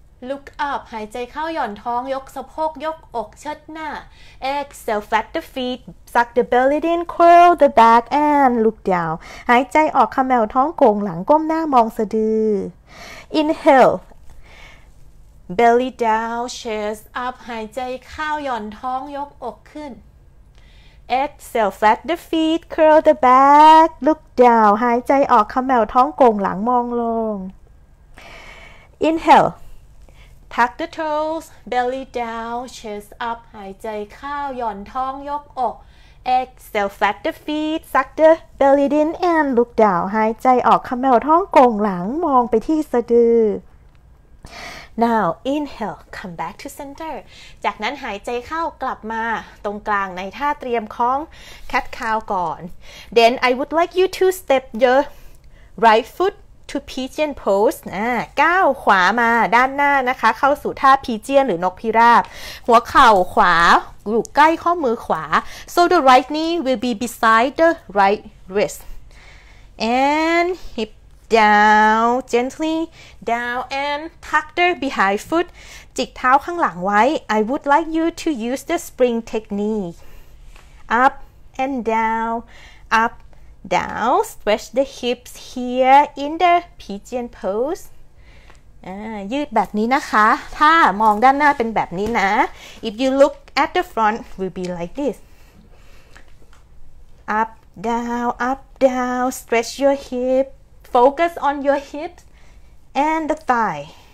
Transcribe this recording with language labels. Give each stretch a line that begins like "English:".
English: Look up
Thai: หายใจเข้าหย่อนท้องยกสะโพกยกอกเชิดหน้า
English: Exhale flat the feet Suck the belly in curl the back and look down
Thai: หายใจออกคำแมวท้องโก่งหลังก้มหน้ามองสะดือ
English: Inhale belly down chest up
Thai: หายใจเข้าหย่อนท้องยกอกขึ้น
English: Exhale, flat the feet, curl the back, look down.
Thai: หายใจออกคำแมวท้องโก่งหลังมองลง
English: Inhale. Tuck the toes, belly down, chest up.
Thai: หายใจเข้าหย่อนท้องยกอก
English: Exhale, flat the feet, suck the belly in and look down.
Thai: หายใจออกคำแมวท้องโก่งหลังมองไปที่สะดือ
English: Now inhale come back to center
Thai: จากนั้นหายใจเข้ากลับมาตรงกลางในท่าเตรียมคล้อง cat cow ก่อน
English: Then I would like you to step your right foot to pigeon pose
Thai: ก้าวขวามาด้านหน้านะคะเข้าสู่ท่าพีเจียนหรือนกพิราบหัวเข่าขวาอยู่ใกล้ข้อมือขวา
English: So the right knee will be beside the right wrist and hipDown, gently, down and tuck the behind foot.
Thai: จิกเท้าข้างหลังไว้
English: I would like you to use the spring technique. Up and down, up, down. Stretch the hips here in the pigeon pose.
Thai: ยืดแบบนี้นะคะถ้ามองด้านหน้าเป็นแบบนี้นะ
English: If you look at the front, will be like this. Up, down, up, down. Stretch your hip. Focus on your hips and the thigh.